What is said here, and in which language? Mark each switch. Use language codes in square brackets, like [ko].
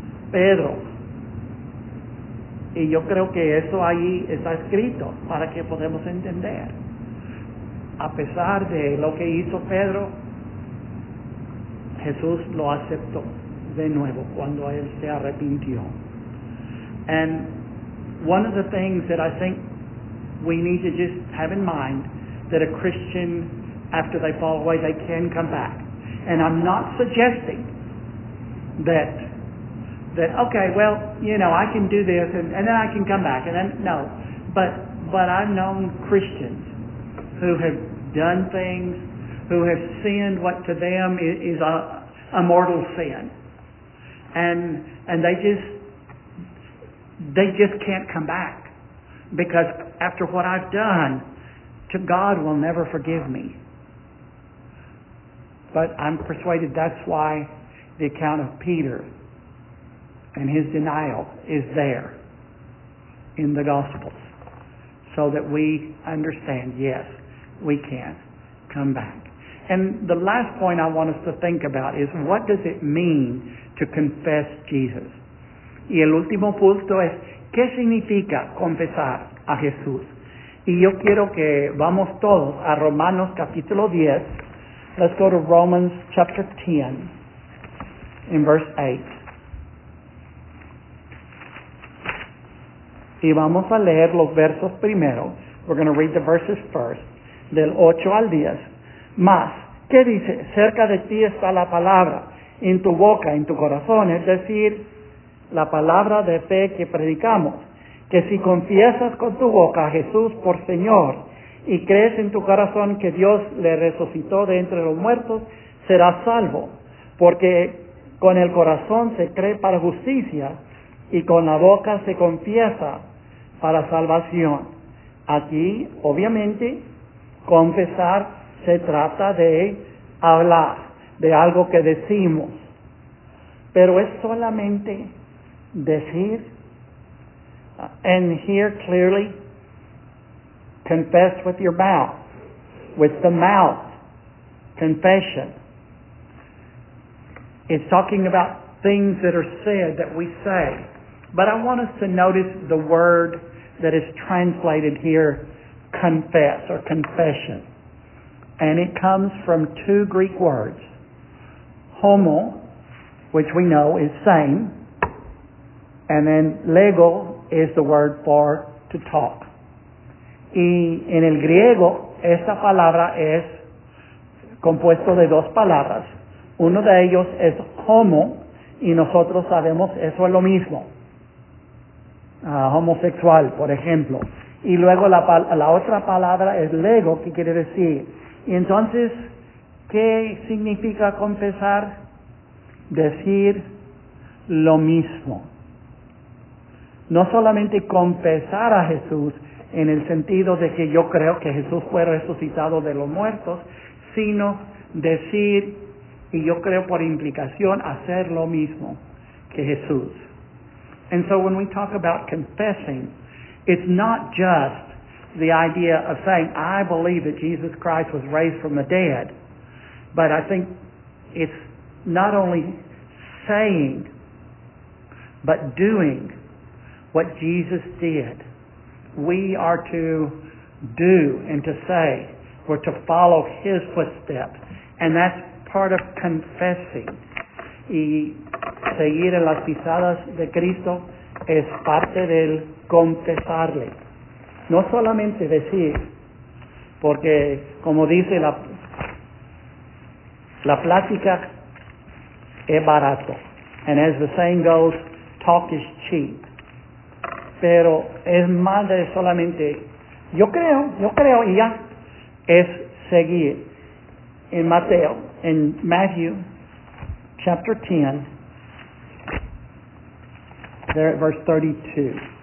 [es] Pedro, y yo creo que eso ahí está escrito para que podamos entender. A pesar de lo que hizo Pedro, Jesús lo aceptó de nuevo cuando él se arrepintió. [en] And one of the things that I think we need to just have in mind, that a Christian, after they fall away, they can come back. And I'm not suggesting that okay, well, you know, I can do this and then I can come back, and then no. But I've known Christians who have done things, who have sinned what to them is a mortal sin. And they just can't come back. Because after what I've done, to God will never forgive me. But I'm persuaded that's why the account of Peter and his denial is there in the Gospels, so that we understand, yes, we can come back. And the last point I want us to think about is, what does it mean to confess Jesus? [es] Y el último punto es, ¿qué significa confesar a Jesús? Y yo quiero que vamos todos a Romanos capítulo 10, [en] Let's go to Romans chapter 10 in verse 8. [es] Y vamos a leer los versos primero. [en] We're going to read the verses first, [es] del 8 al 10. Mas, ¿qué dice? Cerca de ti está la palabra, en tu boca, en tu corazón, es decir, la palabra de fe que predicamos, que si confiesas con tu boca a Jesús por Señor y crees en tu corazón que Dios le resucitó de entre los muertos, serás salvo, porque con el corazón se cree para justicia y con la boca se confiesa para salvación. Aquí, obviamente, confesar se trata de hablar, de algo que decimos. Pero es solamente decir, [en] and hear clearly, confess with your mouth, with the mouth, confession. It's talking about things that are said, that we say. But I want us to notice the word that is translated here, confess or confession. And it comes from two Greek words. Homo, which we know is same. And then lego is the word for to talk. [es] Y en el griego, esta palabra es compuesto de dos palabras. Uno de ellos es homo, y nosotros sabemos eso es lo mismo. Homosexual, por ejemplo. Y luego la otra palabra es lego, que quiere decir. Y entonces, ¿qué significa confesar? Decir lo mismo. No solamente confesar a Jesús en el sentido de que yo creo que Jesús fue resucitado de los muertos, sino decir, y yo creo por implicación, hacer lo mismo que Jesús. [en] And so when we talk about confessing, it's not just the idea of saying, I believe that Jesus Christ was raised from the dead, but I think it's not only saying, but doing what Jesus did. We are to do and to say, we're to follow his footsteps. And that's part of confessing. [es] Y seguir en las pisadas de Cristo es parte del confesarle. No solamente decir, porque como dice la plática es barato. [en] And as the saying goes, talk is cheap. [es] Pero es más de solamente, yo creo, y ya, es seguir. En Mateo, en [en] Matthew, chapter 10, there at verse 32.